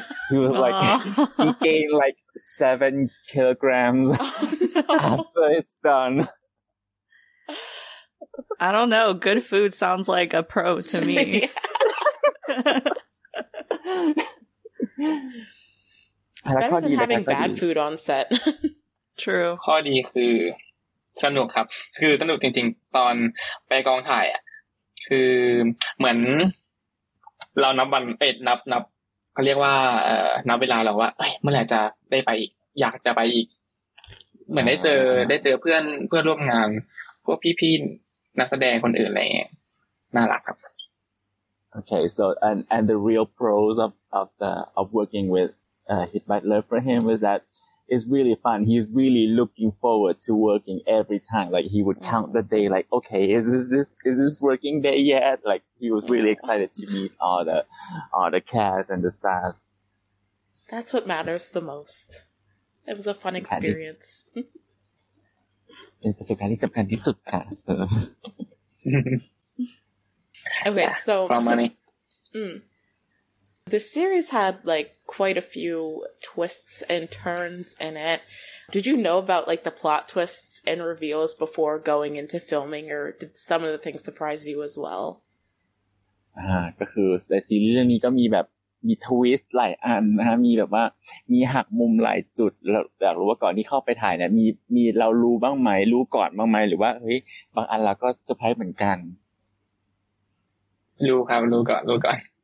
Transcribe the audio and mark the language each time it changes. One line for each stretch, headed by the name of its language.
English: He was like, he gained like 7 kilograms after it's done. I don't know. Good food sounds like a pro to me. It's better than having bad food on set. True.
Thai: ข้อดีคือสนุกครับคือสนุกจริงๆตอนไปกองถ่ายอ่ะคือเหมือนเรานับวันเอ็ดนับเขาเรียกว่านับเวลาเราว่าเมื่อไหร่จะได้ไปอีกอยากจะไปอีกเหมือนได้เจอเพื่อนร่วมงานพวกพี่นักแสดงคนอื่นอะไรน่ารักครับ
English: โอเค so and the real pros of working with Hit by Love for him was that it's really fun he's really looking forward to working every time like he would count the day like okay is this working day yet like he was really excited to meet all the cast and the staff that's what matters the most it was a fun experience
Thai: เป็นประสบการณ์ที่สำคัญที่สุดค่ะ
English: okay so for money The series had, like, quite a few twists and turns in it. Did you know about, like, the plot twists and reveals before going into filming, or did some of the things surprise you as well?
Thai: ก็คือในซีรีส์เรื่องนี้ก็มีแบบมีทวิสต์หลายอันนะมีแบบว่ามีหักมุมหลายจุดแล้วอยากรู้ว่าก่อนที่เข้าไปถ่ายเนี่ยมีเรารู้บ้างไหมรู้ก่อนบ้างไหมหรือว่าเฮ้ยบางอันเราก็เซอร์ไพรส์เหมือนกัน รู้ครับรู้ก่อน